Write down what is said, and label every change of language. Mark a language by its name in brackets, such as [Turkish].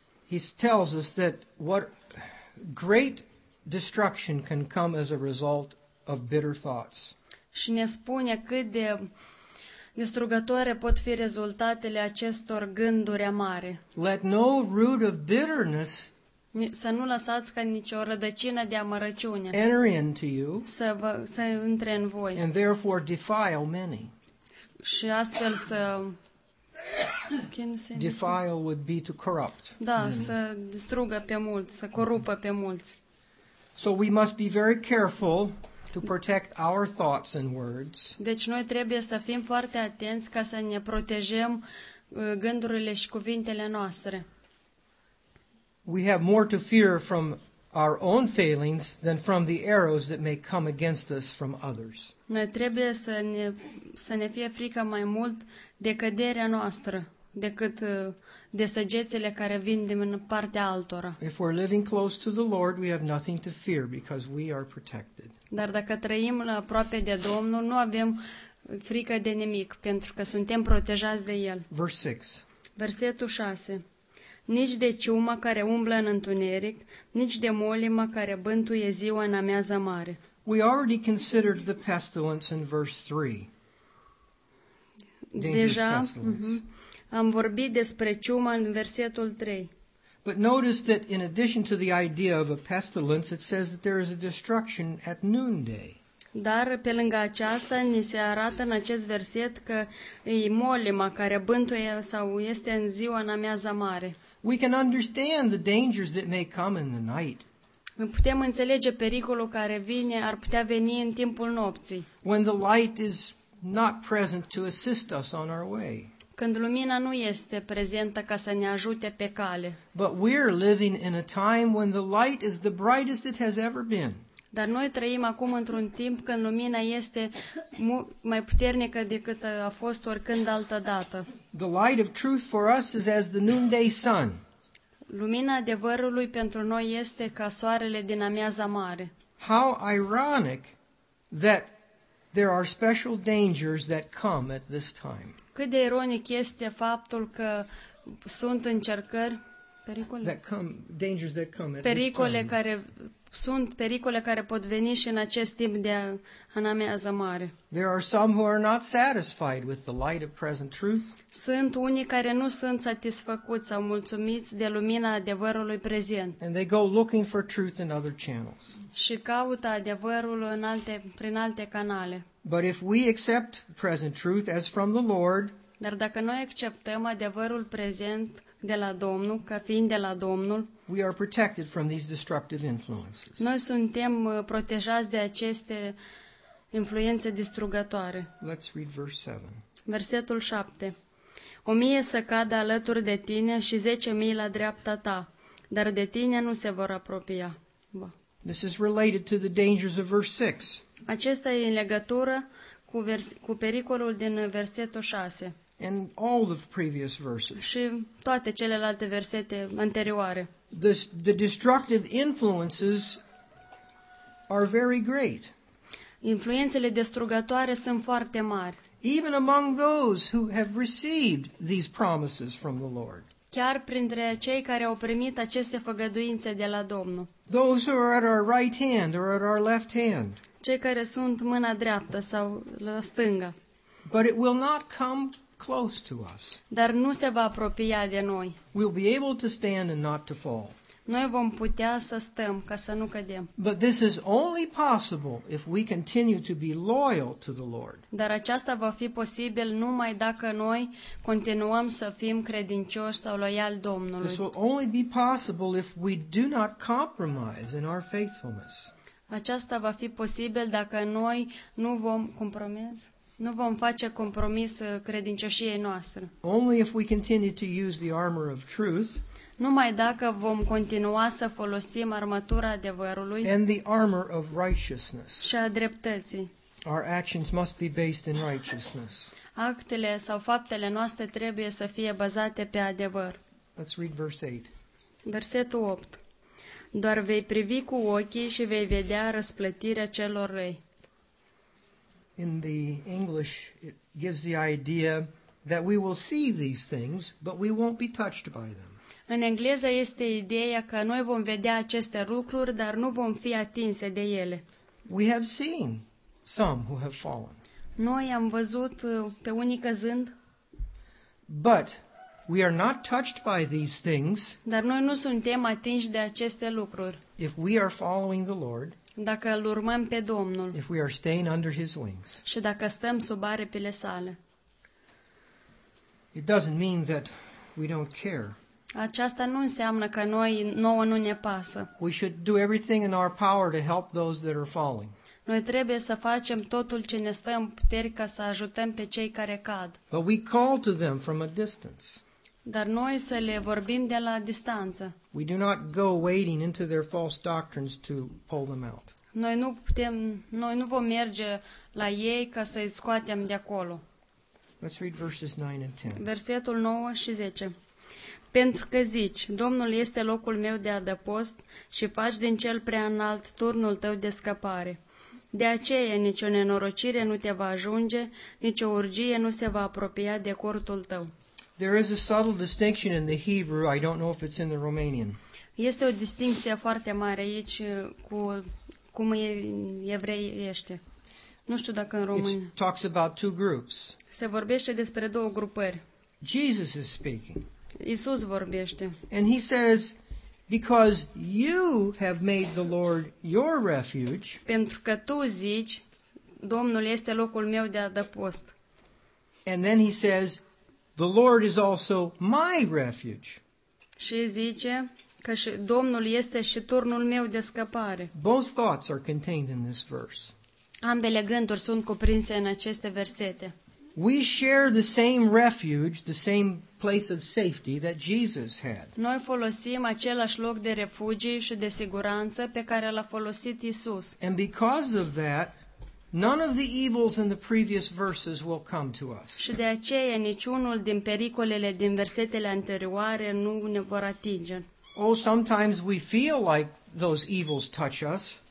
[English] He tells us that what great destruction can come as a result of bitter thoughts. [Romanian] Și ne spune cât de distrugătoare pot fi rezultatele acestor gânduri amare. [English] Let no root of bitterness. [Romanian] Să nu lăsați ca nicio rădăcină de amărăciune [English] enter into you, [Romanian] să intre în voi. [English] And therefore defile many. [Romanian] Și astfel să [English] defile would be to corrupt. [Romanian] Da, să distrugă pe mulți, să corupă pe mulți. [English] So we must be very careful to protect our thoughts and words. [Romanian] Deci noi trebuie să fim foarte atenți ca să ne protejăm gândurile și cuvintele noastre. [English] We have more to fear from our own failings than from the arrows that may come against us from others. [Romanian] Noi trebuie să ne fie frică mai mult de căderea noastră decât de săgețile care vin din partea altora. [English] If we're living close to the Lord, we have nothing to fear because we are protected. [Romanian] Dar dacă trăim aproape de Domnul, nu avem frică de nimic pentru că suntem protejați de El. [English] Verse 6. [Romanian] Versetul 6. Nici de ciumă care umblă în întuneric, nici de molimă care bântuie ziua în amiază mare. [English] We already considered the pestilence in verse 3. [Romanian] Deja am vorbit despre ciumă în versetul 3. [English] But notice that in addition to the idea of a pestilence, it says that there is a destruction at noonday. [Romanian] Dar pe lângă aceasta ni se arată în acest verset că e molima care bântuie sau este în ziua în amiază mare. [English] We can understand the dangers that may come in the night. [Romanian] Putem înțelege pericolul care vine, ar putea veni în timpul nopții. [English] When the light is not present to assist us on our way. [Romanian] Când lumina nu este prezentă ca să ne ajute pe cale. [English] But we're living in a time when the light is the brightest it has ever been. [Romanian] Dar noi trăim acum într-un timp când lumina este mai puternică decât a fost oricând altă dată. [English] The light of truth for us is as the noonday sun. [Romanian] Lumina adevărului pentru noi este ca soarele din amiaza mare. [English] How ironic that there are special dangers that come at this time. [Romanian] Cât de ironic este faptul că sunt încercări, pericole. [English] That come, dangers that come at [Romanian] pericole [English] this time. [Romanian] Sunt pericole care pot veni și în acest timp de amiază mare. [English] There are some who are not satisfied with the light of present truth. [Romanian] Sunt unii care nu sunt satisfăcuți sau mulțumiți de lumina adevărului prezent. [English] And they go looking for truth in other channels. [Romanian] Și caută adevărul în alte, prin alte canale. [English] But if we accept present truth as from the Lord, [Romanian] dar dacă noi acceptăm adevărul prezent de la Domnul, ca fiind de la Domnul, [English] we are protected from these destructive influences. [Romanian] Noi suntem protejați de aceste influențe distrugătoare. [English] Let's read verse 7. [Romanian] Versetul 7. 1000 să cadă alături de tine și 10.000 la dreapta ta, dar de tine nu se vor apropia. [English] This is related to the dangers of verse 6. [Romanian] Acesta e în legătură cu pericolul din versetul 6. [English] And all the previous verses. [Romanian] Și toate celelalte versete anterioare. [English] The destructive influences are very great. [Romanian] Influențele distrugătoare sunt foarte mari. [English] Even among those who have received these promises from the Lord. [Romanian] Chiar printre cei care au primit aceste făgăduințe de la Domnul. [English] Those who are at our right hand or at our left hand. [Romanian] Cei care sunt mâna dreaptă sau la stânga. [English] But it will not come close to us. [Romanian] Dar nu se va apropia de noi. [English] We'll be able to stand and not to fall. [Romanian] Noi vom putea să stăm ca să nu cădem. [English] But this is only possible if we continue to be loyal to the Lord. [Romanian] Dar aceasta va fi posibil numai dacă noi continuăm să fim credincioși sau loiali Domnului. [English] This will only be possible if we do not compromise in our faithfulness. [Romanian] Aceasta va fi posibil dacă noi nu vom compromis. Nu vom face compromis credincioșiei noastre. [English] Only if we continue to use the armor of truth. [Romanian] Numai dacă vom continua să folosim armătura adevărului. [English] And the armor of righteousness. [Romanian] Și a dreptății. [English] Our actions must be based in righteousness. [Romanian] Actele sau faptele noastre trebuie să fie bazate pe adevăr. [English] Let's read verse 8. [Romanian] Versetul 8. Doar vei privi cu ochii și vei vedea răsplătirea celor răi. [English] In the English, it gives the idea that we will see these things, but we won't be touched by them. [Romanian] În engleză este ideea că noi vom vedea aceste lucruri, dar nu vom fi atinse de ele. [English] We have seen some who have fallen. [Romanian] Noi am văzut pe unii căzând. [English] But we are not touched by these things. [Romanian] Dar noi nu suntem atinși de aceste lucruri. [English] If we are following the Lord. [Romanian] Dacă îl urmăm pe Domnul. [English] If we are staying under his wings. [Romanian] Și dacă stăm sub aripile sale. [English] It doesn't mean that we don't care. [Romanian] Aceasta nu înseamnă că noi nouă nu ne pasă. [English] We should do everything in our power to help those that are falling. [Romanian] Noi trebuie să facem totul ce ne stă în puteri ca să ajutăm pe cei care cad. [English] But we call to them from a distance. [Romanian] Dar noi să le vorbim de la distanță. [English] We do not go wading into their false doctrines to pull them out. [Romanian] Noi nu vom merge la ei ca să îi scoatem de acolo. [English] Let's read verses 9 and 10. [Romanian] Versetul 9 și 10. Pentru că zici, Domnul este locul meu de adăpost și faci din cel prea înalt turnul tău de scăpare. De aceea nicio nenorocire nu te va ajunge, nicio urgie nu se va apropia de cortul tău. [English] There is a subtle distinction in the Hebrew. I don't know if it's in the Romanian. [Romanian] Este o distinție foarte mare aici cu cum e evreiește. Nu știu dacă în român. [English] It talks about two groups. [Romanian] Se vorbește despre două grupări. [English] Jesus is speaking. [Romanian] Isus vorbește. [English] And he says, because you have made the Lord your refuge. [Romanian] Pentru că tu zici, Domnul este locul meu de adăpost. [English] And then he says, the Lord is also my refuge. [Romanian] Și zice că și Domnul este și turnul meu de scăpare. [English] Both thoughts are contained in this verse. [Romanian] Ambele gânduri sunt cuprinse în aceste versete. [English] We share the same refuge, the same place of safety that Jesus had. [Romanian] Noi folosim același loc de refugiu și de siguranță pe care l-a folosit Isus. [English] And because of that, none of the evils in the previous verses will come to us. [Romanian] Și de aceea niciunul din pericolele din versetele anterioare nu ne vor atinge. [English] Oh, sometimes we feel like those evils touch us.